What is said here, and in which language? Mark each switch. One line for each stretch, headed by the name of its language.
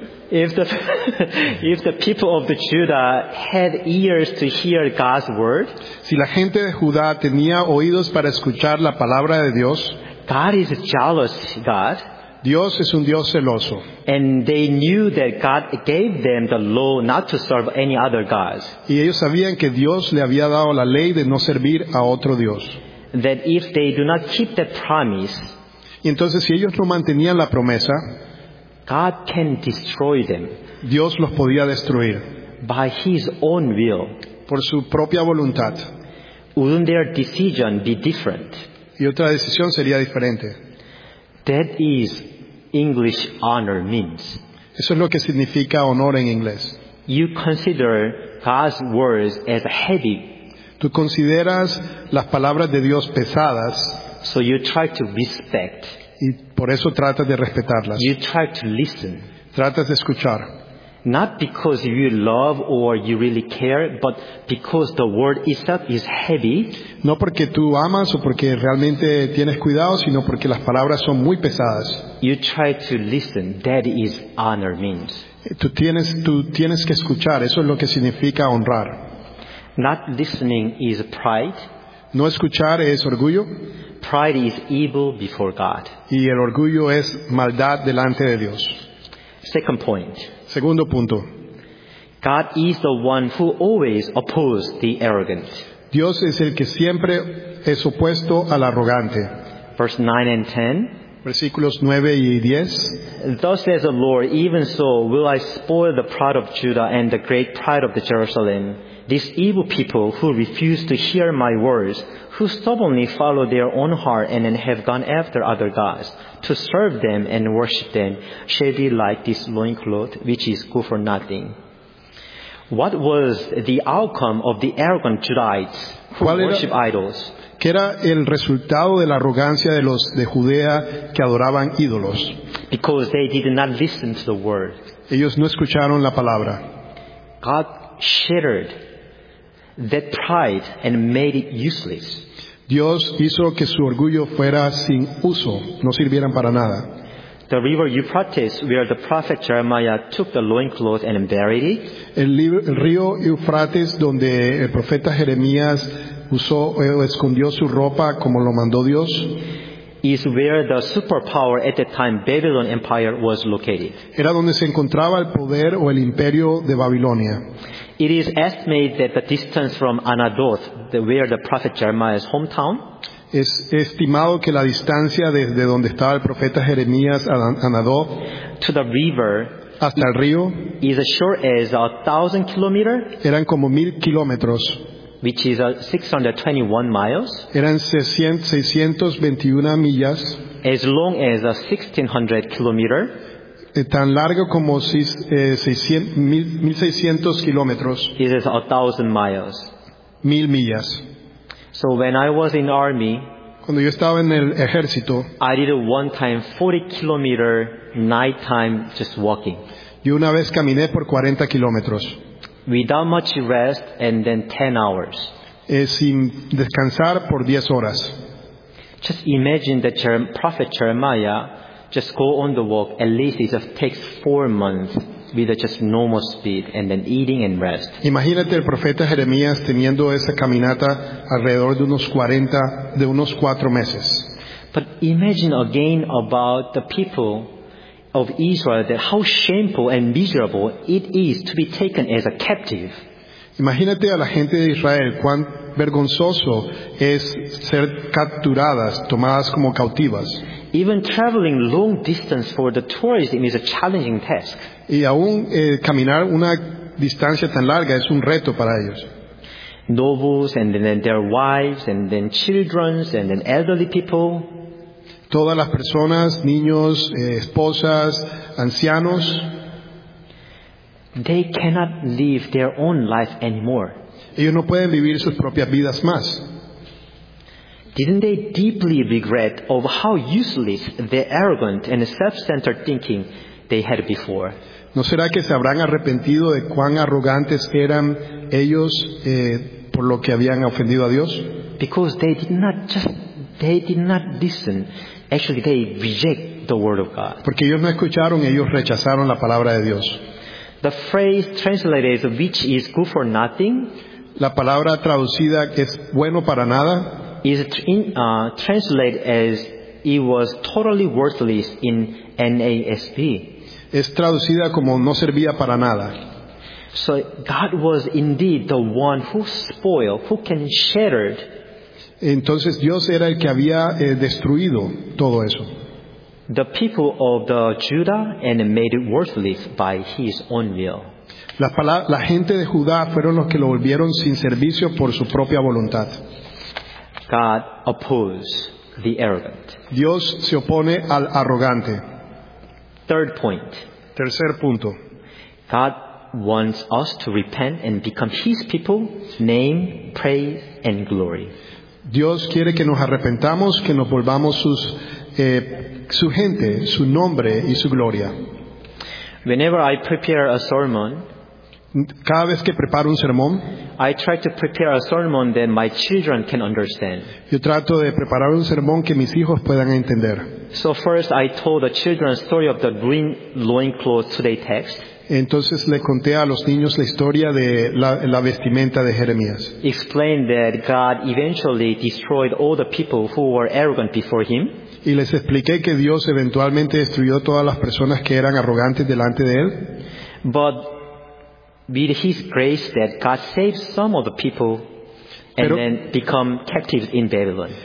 English: If the people of the Judah had ears to hear God's word,
Spanish: si la gente de Judá tenía oídos para escuchar la palabra de Dios,
English: God is a jealous God.
Spanish: Dios es un Dios celoso.
English: And they knew that God gave them the law not to serve any other gods.
Spanish: Y ellos sabían que Dios le había dado la ley de no servir a otro Dios.
English: That if they do not keep the promise,
Spanish: y entonces si ellos no mantenían la promesa,
English: God can destroy them.
Spanish: Dios los podía destruir.
English: By his own will.
Spanish: Por su propia voluntad.
English: Wouldn't their decision be different?
Spanish: Y otra decisión sería diferente.
English: That is English honor means.
Spanish: Eso es lo que significa honor en inglés.
English: You consider God's words as heavy.
Spanish: Tú consideras las palabras de Dios pesadas.
English: So you try to respect.
Spanish: Y por eso tratas de respetarlas.
English: You try to listen.
Spanish: Tratas de escuchar.
English: Not because you love or you really care, but because the word itself is heavy.
Spanish: No porque tú amas o porque realmente tienes cuidado, sino porque las palabras son muy pesadas.
English: You try to listen. That is honor means.
Spanish: Tú tienes que escuchar. Eso es lo que significa honrar.
English: Not listening is pride.
Spanish: No escuchar es orgullo.
English: Pride is evil before God.
Spanish: Y el orgullo es maldad delante de Dios.
English: Second point.
Spanish: Segundo punto.
English: God is the one who always opposes the arrogant.
Spanish: Dios es el que siempre es opuesto al arrogante.
English: Verse 9 and 10.
Spanish: Versículos 9 y 10.
English: Thus says the Lord, even so will I spoil the pride of Judah and the great pride of the Jerusalem. These evil people who refuse to hear my words, who stubbornly follow their own heart and then have gone after other gods to serve them and worship them, shall be like this loincloth which is good for nothing. What was the outcome of the arrogant Judahites who worship idols?
Spanish: ¿Qué era el resultado de la arrogancia de los de Judea que adoraban ídolos?
English: Because they did not listen to the word.
Spanish: Ellos no escucharon la palabra.
English: God shattered that pride and made it useless.
Spanish: Dios hizo que su orgullo fuera sin uso, no sirvieran para nada.
English: The river Euphrates, where the prophet Jeremiah took the loincloth and buried it.
Spanish: El río Eufrates, donde el profeta Jeremías usó o escondió su ropa como lo mandó Dios.
English: Is where the superpower at the time, Babylon Empire, was located.
Spanish: Era donde se encontraba el poder o el imperio de Babilonia.
English: It is estimated that the distance from Anathoth, where the prophet Jeremiah's hometown,
Spanish: es estimado que la distancia desde donde estaba el profeta Jeremías a Anathoth,
English: to the river,
Spanish: hasta el río,
English: is as short as 1,000 kilometers.
Spanish: Eran como 1,000 kilómetros.
English: Which is 621 miles.
Spanish: Eran 621 millas.
English: As long as 1,600 kilometers.
Spanish: Tan largo como 1,600 kilómetros.
English: Is 1,000 miles.
Spanish: 1,000 millas.
English: So when I was in army,
Spanish: cuando yo estaba en el ejército,
English: I did one time 40 kilometers night time just walking.
Spanish: Yo una vez caminé por 40 kilómetros.
English: Without much rest, and then 10 hours.
Spanish: Sin descansar por 10 horas.
English: Just imagine that Prophet Jeremiah just go on the walk, at least it takes 4 months with just normal speed, and then eating and rest.
Spanish: Imagínate el profeta Jeremías teniendo esa caminata alrededor de unos 4 meses.
English: But imagine again about the people of Israel, that how shameful and miserable it is to be taken as a captive.
Spanish: Imagínate a la gente de Israel, cuán vergonzoso es ser capturadas, tomadas como cautivas.
English: Even traveling long distance for the tourism is a challenging task.
Spanish: Y aún caminar una distancia tan larga es un reto para ellos.
English: Nobles and then their wives and then children and then elderly people.
Spanish: Todas las personas, niños, esposas, ancianos,
English: they cannot live their own life anymore.
Spanish: Ellos no pueden vivir sus propias vidas más.
English: Didn't they deeply regret of how useless their arrogant and self-centered thinking they had before?
Spanish: ¿No será que se habrán arrepentido de cuán arrogantes eran ellos por lo que habían ofendido a Dios?
English: Because they did not listen. Actually, they reject the word of God.
Spanish: Porque ellos no escucharon, ellos rechazaron la palabra de Dios.
English: The phrase translated as "which is good for nothing."
Spanish: La palabra traducida es bueno para nada.
English: Is translated as "it was totally worthless" in NASB.
Spanish: Es traducida como no servía para nada.
English: So God was indeed the one who spoiled, who can shatter.
Spanish: Entonces Dios era el que había destruido todo eso.
English: The people of the Judah and made it worthless by his own will.
Spanish: La gente de Judá fueron los que lo volvieron sin servicio por su propia voluntad.
English: God opposed the arrogant.
Spanish: Dios se opone al arrogante.
English: Third point.
Spanish: Tercer punto.
English: God wants us to repent and become his people, name, praise and glory.
Spanish: Dios quiere que nos arrepentamos, que nos volvamos sus su gente, su nombre y su gloria.
English: Whenever I prepare a sermon,
Spanish: cada vez que preparo un sermón,
English: I try to prepare a sermon that my children can understand.
Spanish: Yo trato de preparar un sermón que mis hijos puedan entender.
English: So first I told the children the story of the green loincloth today text.
Spanish: Entonces le conté a los niños la historia de la vestimenta de Jeremías.
English: Explained that God eventually destroyed all the people who were arrogant before him.
Spanish: Y les expliqué que Dios eventualmente destruyó todas las personas que eran arrogantes delante de él.
English: But with his grace that God saved some of the people and then become captives in Babylon.